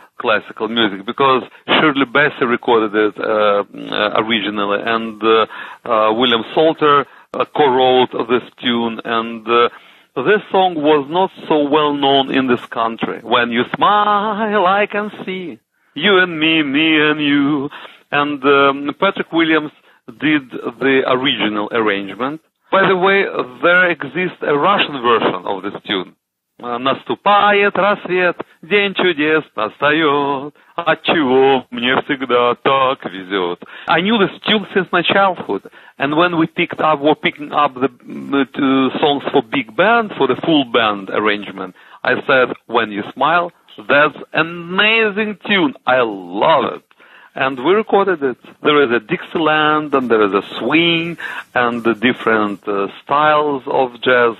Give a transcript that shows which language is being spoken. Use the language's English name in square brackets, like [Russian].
[English] classical music, because Shirley Bassey recorded it originally, and William Salter co-wrote this tune, and this song was not so well known in this country. When you smile, I can see you and me, me and you. And Patrick Williams did the original arrangement. By the way, there exists a Russian version of this tune. [Russian] Наступает рассвет, день чудес настает, отчего мне всегда так везет. [English] I knew this tune since my childhood, and when we were picking up the songs for big band, for the full band arrangement, I said, when you smile, that's an amazing tune, I love it. And we recorded it. There is a Dixieland, and there is a swing, and the different styles of jazz.